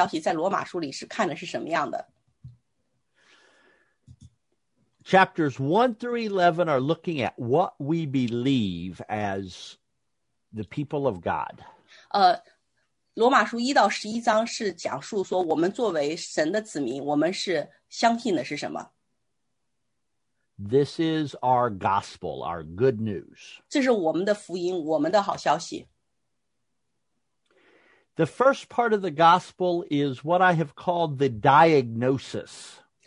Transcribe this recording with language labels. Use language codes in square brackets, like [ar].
[zh] 然后在课堂的前半部分，我们会讲，就是这个好消息在罗马书里是看的是什么样的。 [en] Chapters 1 through 11 are looking at what we believe as the people of God. [zh] 罗马书1到11章是讲述说我们作为神的子民，我们是相信的是什么。 [en] This is our gospel, our good news. [zh] 这是我们的福音，我们的好消息。 [en] The first part of the gospel is what I have called the diagnosis.